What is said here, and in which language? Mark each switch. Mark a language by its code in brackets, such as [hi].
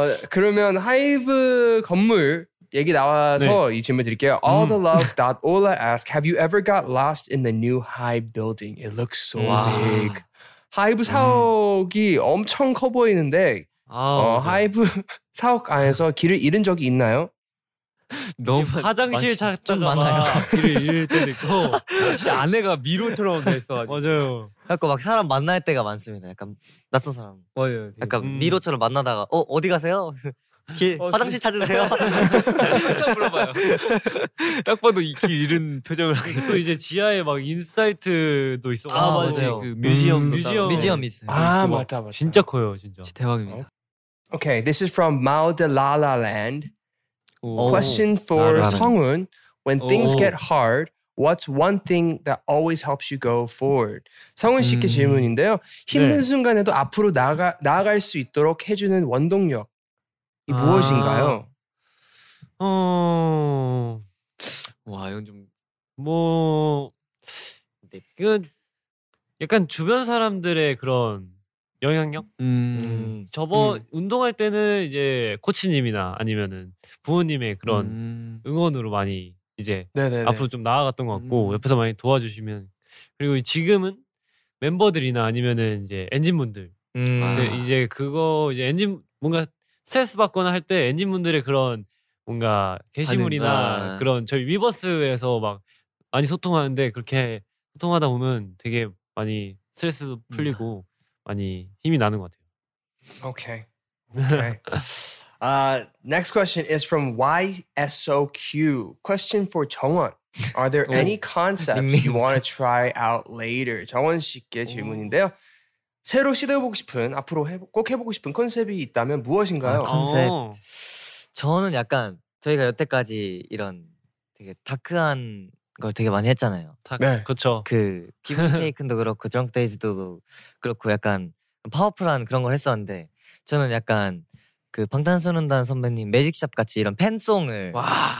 [ko] 그러면 하이브 건물 얘기 나와서 네. 이 질문 드릴게요. [en] All the love that Ola asked, have you ever got lost in the new Hype building? It looks so big. [ko] 하이브 사옥이 엄청 커 보이는데 하이브 사옥 안에서 길을 잃은 적이 있나요? 너무 화장실 찾다가 많아요. 길을 잃을 때도 있고 진짜 안에가 미로처럼 돼 있어. 맞아요. 약간 막 사람 만날 때가 많습니다. 약간 낯선 사람. 맞아요. 약간 미로처럼 만나다가 어디 가세요? 길 화장실 찾으세요. 딱 물어봐요. 딱 봐도 이 길 잃은 표정을 하고 또 이제 지하에 막 인사이트도 있어. 아 맞아요. 그 뮤지엄 있어요. 아 맞다. 진짜 커요 진짜. 진짜 대박입니다. [en] Okay, this is from Mao de La La Land. Question for Sunghoon. When things get hard, what's one thing that always helps you go forward? [ko] 성훈 씨께 질문인데요. 힘든 순간에도 앞으로 나아갈 수 있도록 해주는 원동력. 이 무엇인가요? 와 이건 좀 뭐 이건 약간 주변 사람들의 그런 영향력? 운동할 때는 이제 코치님이나 아니면은 부모님의 그런 응원으로 많이 이제 네네네. 앞으로 좀 나아갔던 것 같고 옆에서 많이 도와주시면 그리고 지금은 멤버들이나 아니면은 이제 엔진분들 이제 그거 이제 엔진 뭔가 스트레스 받거나 할 때 엔진분들의 그런 뭔가 게시물이나 그런 저희 위버스에서 막 많이 소통하는데 그렇게 소통하다 보면 되게 많이 스트레스도 풀리고 많이 힘이 나는 것 같아요. 오케이. [en] Okay. next question is from YSOQ. Question for 정원. Are there any concepts you want to try out later? [ko] 정원 씨께 질문인데요. 새로 시도해보고 싶은 앞으로 꼭 해보고 싶은 컨셉이 있다면 무엇인가요? 컨셉. 저는 약간 저희가 여태까지 이런 되게 다크한 걸 되게 많이 했잖아요. 네. 그렇죠. 그 기브테이큰도 그렇고 정크데이즈도 그렇고 약간 파워풀한 그런 걸 했었는데 저는 약간 그 방탄소년단 선배님 매직샵 같이 이런 팬송을 와.